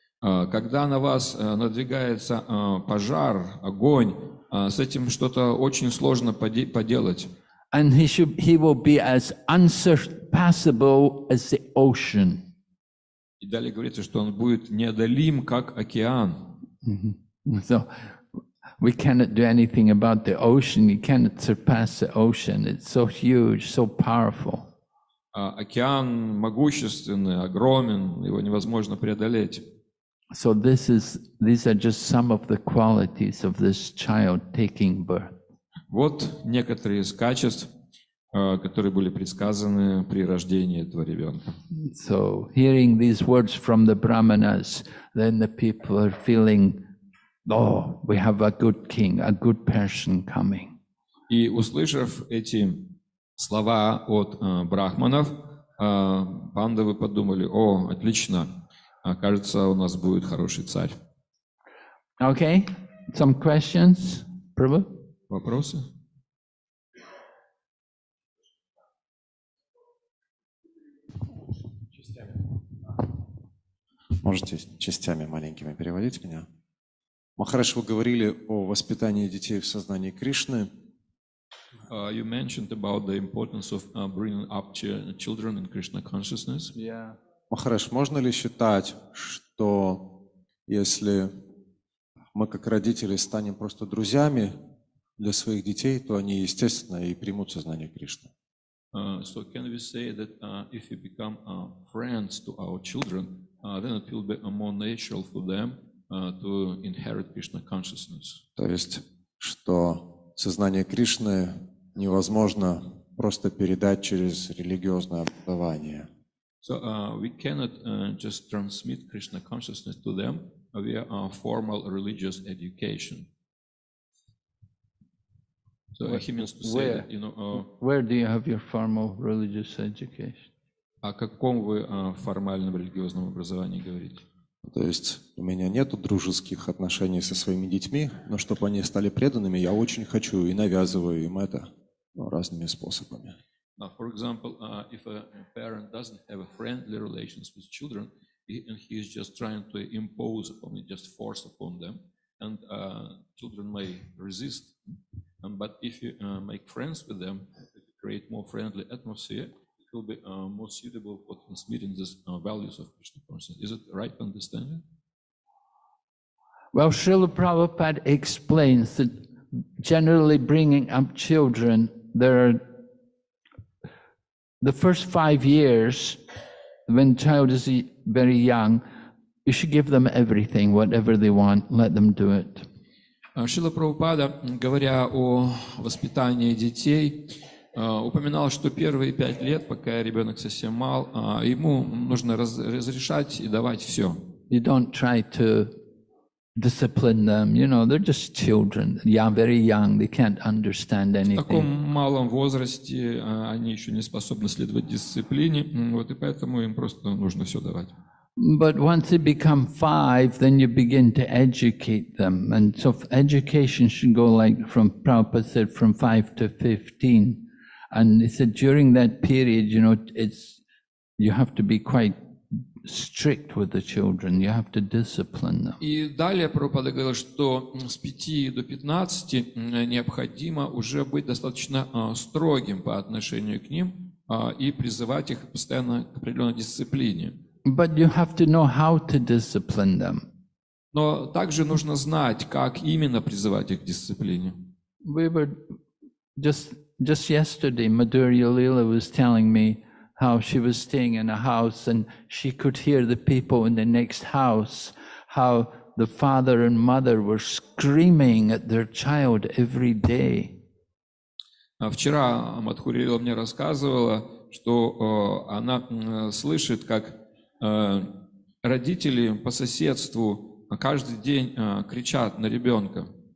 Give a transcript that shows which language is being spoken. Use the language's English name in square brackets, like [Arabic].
[Russian] Когда на вас надвигается пожар, огонь, с этим что-то очень сложно поделать. [English] And he will be as unsurpassable as the ocean. [Russian] И далее говорится, что он будет неодолим, как океан. [English] So, we cannot do anything about the ocean. You cannot surpass the ocean. It's so huge, so powerful. [Russian] Океан могущественный, огромен, его невозможно преодолеть. [English] So these are just some of the qualities of this child taking birth. [Russian] Вот некоторые из качеств, которые были предсказаны при рождении этого ребенка. [English] So hearing these words from the brahmanas, then the people are feeling, oh, we have a good king, a good person coming. [Russian] И услышав эти слова от брахманов, пандавы подумали: о, отлично. Кажется, у нас будет хороший царь. [English] Okay, some questions, Prabhu? [Russian] Вопросы? Можете частями маленькими переводить меня? Махараш, вы говорили о воспитании детей в сознании Кришны. [English] You mentioned about the importance of bringing up children in Krishna consciousness. Yeah. [Russian] Махараш, можно ли считать, что если мы как родители станем просто друзьями для своих детей, то они, естественно, и примут сознание Кришны. [English] So can we say that if we become friends to our children, then it will be more natural for them to inherit Krishna consciousness? [Russian] То есть, что сознание Кришны невозможно просто передать через религиозное образование. [English] So we cannot just transmit Krishna consciousness to them via formal religious education. So he means to say where, that, you know, where do you have your formal religious education? [Russian] О каком вы формальном религиозном образовании говорите? То есть у меня нету дружеских отношений со своими детьми, но чтобы они стали преданными, я очень хочу и навязываю им это, ну, разными способами. [English] Now, for example, if a parent doesn't have a friendly relations with children, and he is just trying to impose upon it, just force upon them, and children may resist. But if you make friends with them, create more friendly atmosphere, it will be more suitable for transmitting these values of Krishna consciousness. Is it right understanding? Well, Srila Prabhupada explains that generally bringing up children, there are the first 5 years, when a child is very young, you should give them everything, whatever they want, let them do it. [Russian] Шрила Прабхупада, говоря о воспитании детей, упоминал, что первые 5 лет, пока ребенок совсем мал, ему нужно разрешать и давать все. [English] You don't try to discipline them, you know, they're just children. Young, very young, they can't understand anything. [Russian] В таком малом возрасте они еще не способны следовать дисциплине, вот и поэтому им просто нужно все давать. [English] But once they become 5, then you begin to educate them. And so education should go like from Prabhupada said, from 5 to 15. And he said during that period, you know, you have to be quite strict with the children, you have to discipline them. [Russian] И далее Прабхупада говорил, что с 5 до 15 необходимо уже быть достаточно строгим по отношению к ним и призывать их постоянно к определенной дисциплине. [English] But you have to know how to discipline them. [Russian] Но также нужно знать, как именно призывать их к дисциплине. [English] We were just yesterday, Madhurya Leela was telling me how she was staying in a house and she could hear the people in the next house, how the father and mother were screaming at their child every day. [Russian] Вчера Мадхурья Лила мне рассказывала, что она слышит, как родители по соседству каждый день кричат на ребенка.